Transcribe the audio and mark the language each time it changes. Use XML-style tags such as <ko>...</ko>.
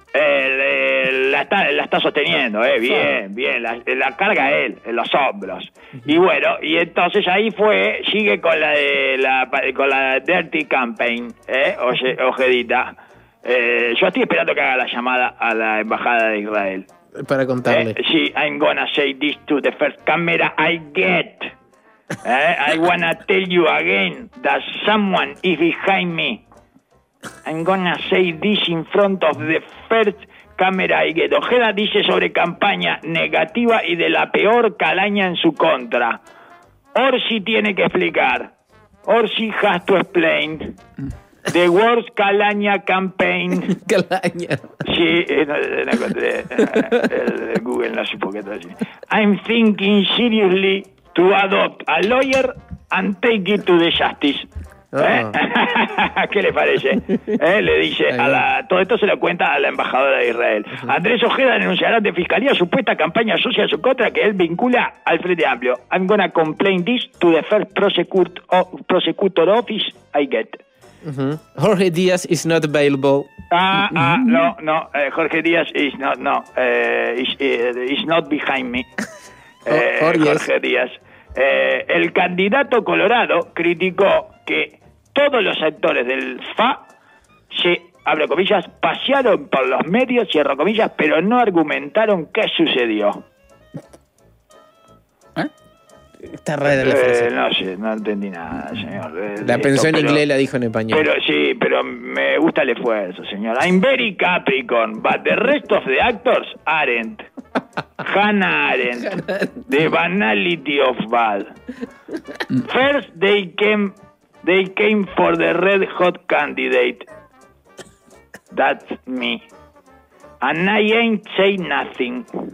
<es>La está sosteniendo, bien, la carga él, en los hombros. Y bueno, y entonces ahí fue, sigue con la de la Dirty Campaign, Ojedita. Yo estoy esperando que haga la llamada a la embajada de Israel. Para contarle.</es> <en>Sí, I'm gonna say this to the first camera I get. I wanna tell you again that someone is behind me. I'm gonna say this in front of the first camera I get.</en> <es>Ojeda dice sobre campaña negativa y de la peor calaña en su contra. Orsi tiene que explicar. Orsi</es> <en>has to explain. The worst calaña campaign.</en> <es>Calaña. Sí, no encontré. Google no supo que todo así.</es> <en>I'm thinking seriously to adopt a lawyer and take it to the justice.</en> <es>¿Qué le parece? Le dice a la, todo esto se lo cuenta a la embajadora de Israel. Andrés Ojeda denunciará de fiscalía supuesta campaña sucia en su contra que él vincula al Frente Amplio.</es> <en>I'm gonna complain this to the first prosecutor office I get. Jorge Díaz is not available. No, Jorge Díaz is not behind me. Jorge Díaz.</en> <es>El candidato colorado criticó que todos los actores del FA se, abro comillas, pasearon por los medios, cierro comillas, pero no argumentaron qué sucedió. Está rara la frase. No sé, no entendí nada, señor. La pensó en inglés, la dijo en español. Pero sí, pero me gusta el esfuerzo, señor.</es> <en>I'm very Capricorn, but the rest of the actors aren't. Hannah Arendt, The Banality of Bad. First they came for the red hot candidate. That's me. And I ain't say nothing.</en>